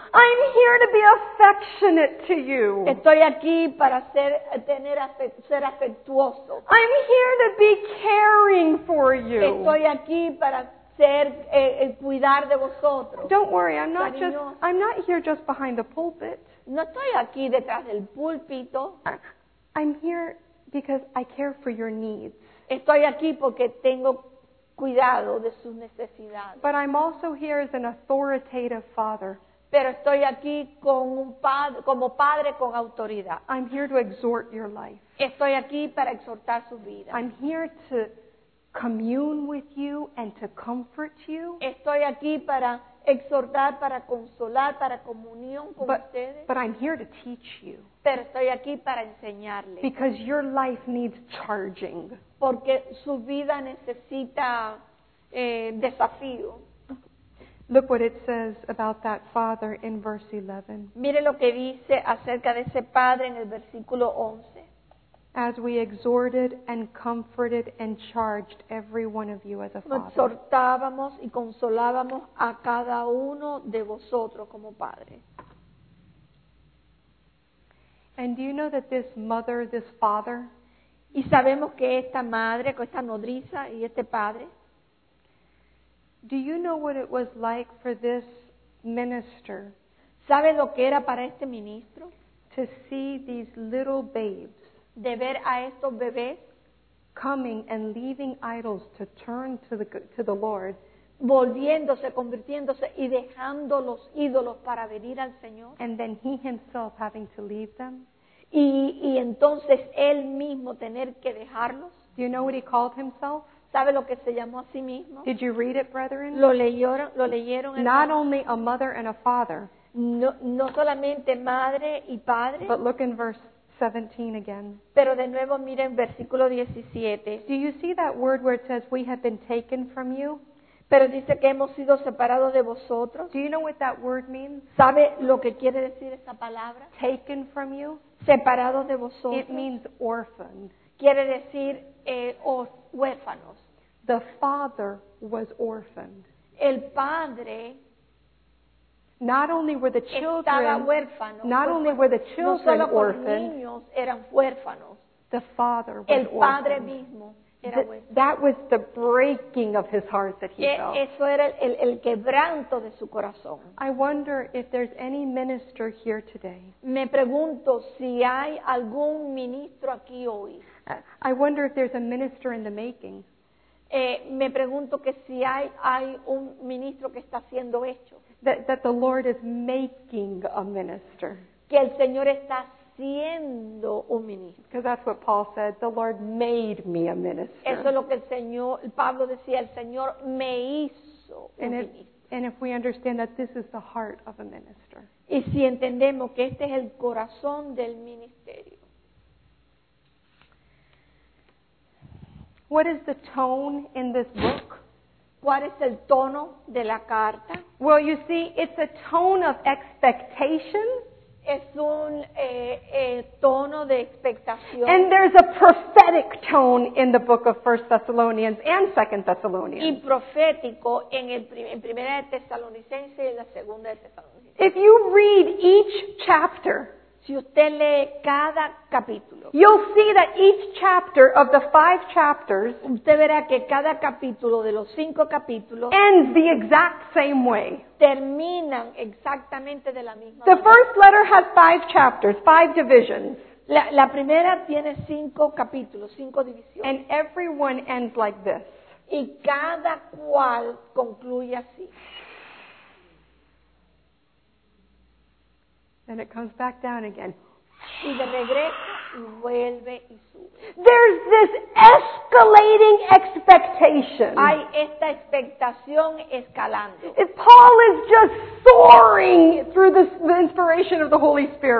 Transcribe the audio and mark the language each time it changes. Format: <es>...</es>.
<en>I'm here to be affectionate to you.</en> <es>Estoy aquí para ser afectuoso.</es> <en>I'm here to be caring for you.</en> <es>Estoy aquí para cuidar de vosotros.</es> <en>Don't worry, I'm not here just behind the pulpit.</en> <es>No estoy aquí detrás del púlpito.</es> <en>I'm here because I care for your needs.</en> <es>Estoy aquí porque tengo cuidado de sus necesidades.</es> <en>But I'm also here as an authoritative father.</en> <es>Pero estoy aquí con un padre, como padre con autoridad.</es> <en>I'm here to exhort your life.</en> <es>Estoy aquí para exhortar su vida.</es> <en>I'm here to commune with you and to comfort you.</en> <es>Estoy aquí para exhortar, para consolar, para comunión con ustedes.</es> <en>But I'm here to teach you.</en> <es>Pero estoy aquí para enseñarles.</es> <en>Because your life needs charging.</en> <es>Porque su vida necesita desafío.</es> <en>Look what it says about that father in verse 11.</en> <es>Mire lo que dice acerca de ese padre en el versículo 11.</es> <en>As we exhorted and comforted and charged every one of you as a father.</en> <es>Exhortábamos y consolábamos a cada uno de vosotros como padre.</es> <en>And do you know that this mother, this father?</en> <es>Y sabemos que esta madre, esta nodriza y este padre.</es> <en>Do you know what it was like for this minister?</en> <es>¿Sabe lo que era para este ministro?</es> <en>To see these little babes.</en> <es>De ver a estos bebés</es> <en>coming and leaving idols to turn to the Lord,</en> <es>volviéndose, convirtiéndose y dejando los ídolos para venir al Señor,</es> <en>and then he himself having to leave them,</en> <es>y entonces él mismo tener que dejarlos.</es> <en>Do you know what he called himself?</en> <es>¿Sabe lo que se llamó a sí mismo?</es> <en>Did you read it, brethren?</en> <es>Lo leyeron.</es> <en>Not only a mother and a father,</en> <es>no solamente madre y padre,</es> <en>but look in verse 17 again.</en> <es>Pero de nuevo mira en versículo 17.</es> <en>Do you see that word where it says we have been taken from you?</en> <es>Pero dice que hemos sido separados de vosotros.</es> <en>Do you know what that word means?</en> <es>¿Sabe lo que quiere decir esa palabra?</es> <en>Taken from you.</en> <es>Separados de vosotros.</es> <en>It means orphaned.</en> <es>Quiere decir huérfanos.</es> <en>The father was orphaned.</en> <es>El padre.</es> <en>Not only were the children.</en> <es>Estaba huérfano.</es> <en>Not only were the children</en> <es>no solo</es> <en>orphaned.</en> <es>Los niños eran huérfanos.</es> <en>The father was</en> <es>el padre</es> <en>orphaned.</en> <es>Mismo.</es> <en>That was the breaking of his heart that he felt.</en> <es>Eso era el quebranto de su corazón.</es> <en>I wonder if there's any minister here today.</en> <es>Me pregunto si hay algún ministro aquí hoy.</es> <en>I wonder if there's a minister in the making.</en> <es>Me pregunto que si hay un ministro que está siendo hecho.</es> <en>That the Lord is making a minister.</en> <es>Que el Señor está siendo un ministro.</es> <en>Because that's what Paul said, the Lord made me a minister.</en> <es>Eso es lo que el Señor, Pablo decía, el Señor me hizo un ministro.</es> <en>And if we understand that this is the heart of a minister.</en> <es>Y si entendemos que este es el corazón del ministerio.</es> <en>What is the tone in this book?</en> <es>¿Cuál es el tono de la carta?</es> <en>Well, you see, it's a tone of expectation.</en> <es>Es un tono de expectación.</es> <en>And there's a prophetic tone in the book of 1 Thessalonians and 2 Thessalonians.</en> <es>Y profético en Primera de Tesalonicense y en la Segunda de Tesalonicense.</es> <en>If you read each chapter,</en> <es>si usted lee cada capítulo,</es> <en>you'll see that each chapter of the five chapters,</en> <es>usted verá que cada capítulo de los cinco capítulos</es> <en>ends the exact same way.</en> <es>Terminan exactamente de la misma manera.</es> <en>The first letter has five chapters, five divisions.</en> <es>La primera tiene cinco capítulos, cinco divisiones.</es> <en>And everyone ends like this.</en> <es>Y cada cual concluye así.</es> <en>And it comes back down again.</en> <es>Y de regreso, y vuelve y sube.</es> <en>There's this escalating expectation.</en> <es>Hay esta expectación escalando.</es> <en>If Paul is just soaring through the inspiration of the Holy Spirit.</en>